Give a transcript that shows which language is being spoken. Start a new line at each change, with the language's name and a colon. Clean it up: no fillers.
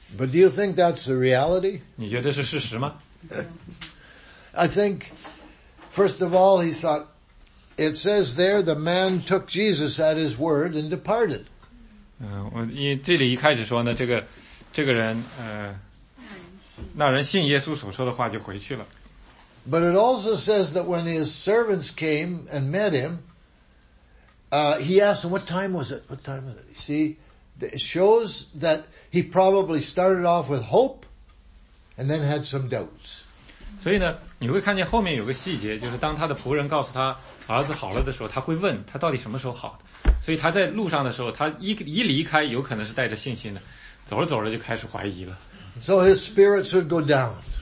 English: But do you think that's the reality?
Chinese: 你觉得这是事实吗？
English: I think, first of all, he thought, it says there the man took Jesus at his word and departed.
Chinese: 因为这里一开始说呢，这个人那人信耶稣所说的话就回去了。
English: But it also says that when his servants came and met him, he asked them, what time was it? See, it shows that he probably started off with hope and then had some doubts.
Chinese: 所以呢，你会看见后面有个细节，就是当他的仆人告诉他儿子好了的时候，他会问他到底什么时候好的。所以他在路上的时候，他一离开，有可能是带着信心的，走着走着就开始怀疑了。
English: So his spirits would go down.